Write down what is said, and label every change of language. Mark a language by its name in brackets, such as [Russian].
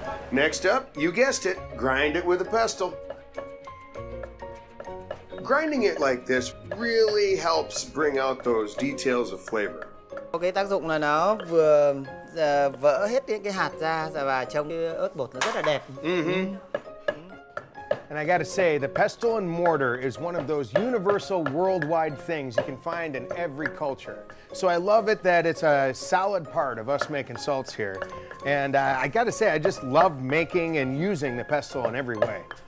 [English] Next up, you guessed it, grind it with a pestle. Grinding it like this really helps bring out those details of flavor. [Vietnamese] Cái tác dụng là nó vừa vỡ hết những cái hạt ra và trông cái ớt bột nó rất là đẹp. [English] And I gotta say, the pestle and mortar is one of those universal worldwide things you can find in every culture. So I love it that it's a solid part of us making salts here. And I gotta say, I just love making and using the pestle in every way.